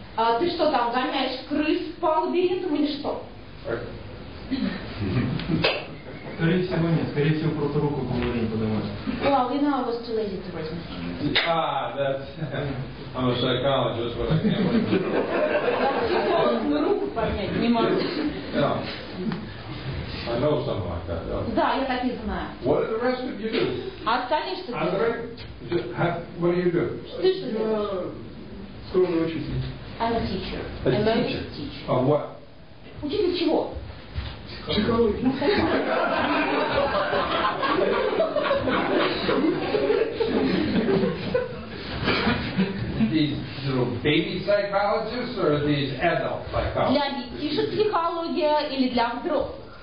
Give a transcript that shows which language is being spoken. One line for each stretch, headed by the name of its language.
Russian: А ты что там гоняешь крыс по лабиринтам или что? Скорее всего нет, скорее всего просто руку по лабиринту поднимаешь.
English: Well, you know I was too lazy to raise my hand. Ah, that's. I'm a psychologist, but I can't wait.
Russian: Психолог, но руку поднять не можешь.
English: Yeah. I know something like that.
Russian: Да, я так и знаю.
English: What are the rest of you do?
Russian: А остальные что делают?
English: What do you do?
Russian: Ты что делаешь? Скромный учитель.
English: I'm a teacher. Teacher. Of what? Psychology. These little baby psychologists or these adult psychologists?
Russian: Для детей же психология или для взрослых?